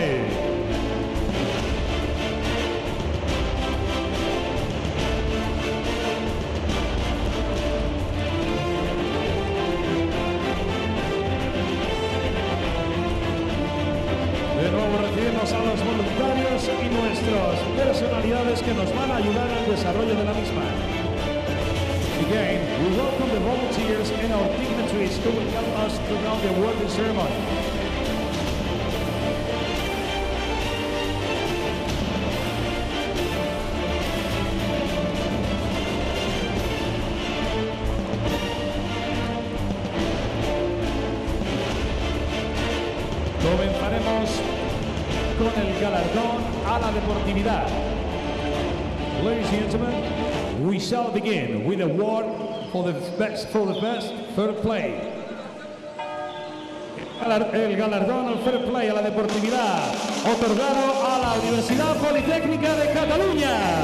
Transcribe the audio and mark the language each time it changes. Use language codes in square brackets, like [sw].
[es] De nuevo recibimos a los voluntarios y nuestras personalidades que nos van a ayudar al desarrollo de la misma. [en] Again, we welcome the volunteers and our dignitaries who will help us to run the awarding ceremony. [es] Comenzaremos con el galardón a la deportividad. [en] Ladies and gentlemen, we shall begin with a award for the best fair play. [es] El galardón al fair play a la deportividad otorgado a la Universidad Politécnica de Cataluña.